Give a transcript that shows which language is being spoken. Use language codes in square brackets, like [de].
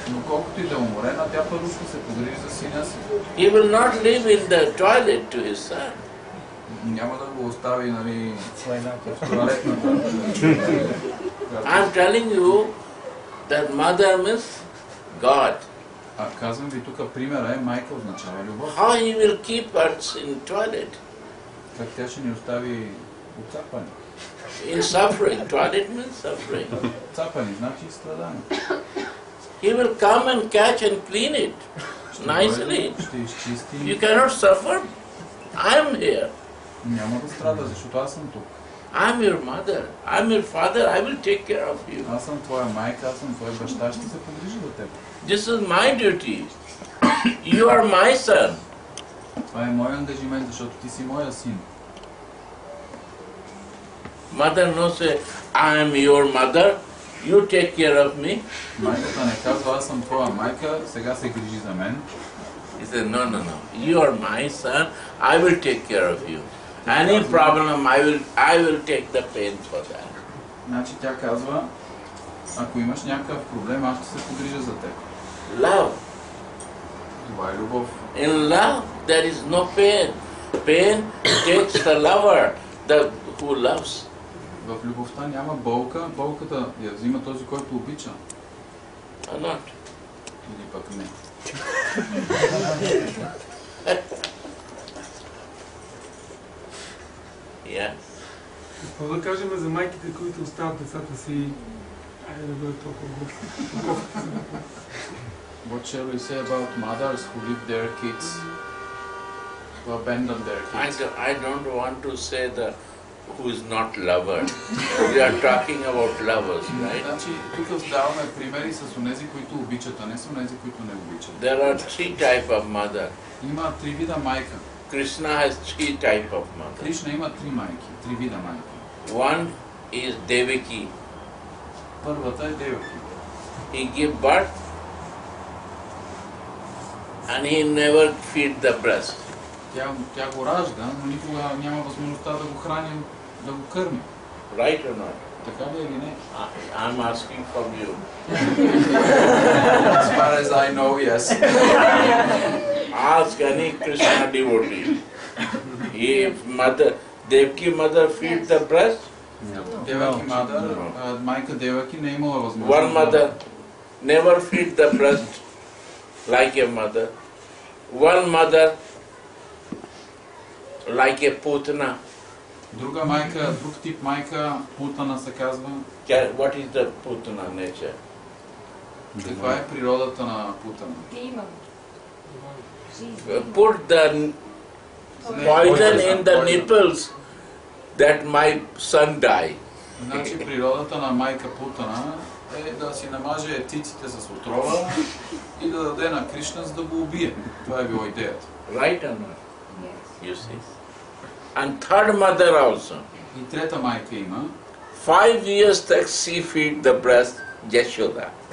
[bg] Но колкото и да уморена, тя първо ще се погрижи за сина си. [en] He will not leave in the toilet to his son. [bg] Няма да го остави, нали, в туалетната. [en] I'm telling you that mother means God. [bg] А казвам ви тук примера е майка означава любов. [en] How he will keep us in toilet? [bg] Как тя ще ни остави отцапани? [en] In suffering, toilet means suffering. [bg] Цапани значи страдание. [en] He will come and catch and clean it nicely. You cannot suffer. I am here. [bg] Няма да страда, защото аз съм тук. [en] I am your mother. I am your father. I will take care of you. [bg] Аз съм твоя майка, аз съм твой баща, ще се погрижа за теб. [en] This is my duty. You are my son. [bg] Това е мой ангажимент, защото ти си моя син. [en] Mother no say, I am your mother, you take care of me. [bg] Майката не казва, аз съм твоя майка, сега се грижи за мен. [en] He said, no, no, no, you are my son, I will take care of you. Any problem, I will take the pain for that. [bg] Значи тя казва, ако имаш някакъв проблем, аз ще се погрижа за теб. [en] Love. [bg] Това е любов. [en] In love, there is no pain. Pain takes the lover, the who loves. [bg] В любовта няма болка, болката я взима този, който обича. [en] А not. [bg] Или пък не. [en] Yes. [bg] Какво да кажем за майките, които остават децата си? Айде да бъде толкова глуп. [en] What shall we say about mothers who leave their kids? Who abandon their kids? I don't want to say that. Who is not lover. We are talking about lovers, right? [bg] Значи, тук даваме примери с онези, които обичат, а не с онези, които не обичат. [en] There are three type of mother. [bg] Има три вида майка. [en] Krishna has three type of mother. [bg] Кришна има три майки, три вида майки. [en] One is Devaki. [bg] Първата е Девяки. [en] He give birth and he never feed the breast. [bg] Тя го ражда, но никога няма възможността да го храни, да го кърми. [en] Right or not? [bg] Така ли е или не? [en] I'm asking from you. As far as I know, yes. Ask any Krishna devotee. If mother, Devaki mother feed the breast? [bg] Девяки [en] мадър, [bg] майка Девяки не имала възможност. [en] One mother never feed the breast like a mother. One mother like a putana. [bg] Друга майка, друг тип майка, путана се казва. [en] What is the putana nature? [bg] Каква е природата на путана? [en] Put the poison in the nipples that my son die. [bg] Значи природата на майка путана е да си намаже титите с отрова и да даде на Кришна, за да го убие. Това е било идеята. [en] Right or not? You see? And third mother also. [bg] И трета майка има. [en] 5 years that she feed the breast Yashoda.